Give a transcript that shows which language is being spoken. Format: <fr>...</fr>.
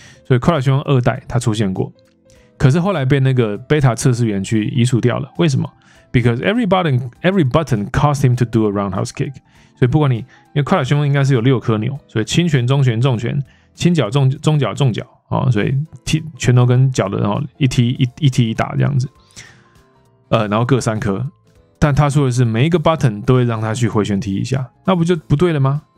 <zh>所以快打旋风二代他出现过，可是后来被那个 beta 测试员去移除掉了，为什么？</zh> <en>Because every button caused him to do a roundhouse kick.</en> <zh>所以不管你，因为快打旋风应该是有六颗钮，所以轻拳、中拳、重拳、轻脚、中脚、哦、所以踢拳头跟脚的，然后一踢 一踢一打这样子，然后各三颗。但他说的是每一个 button 都会让他去回旋踢一下，那不就不对了吗？</zh>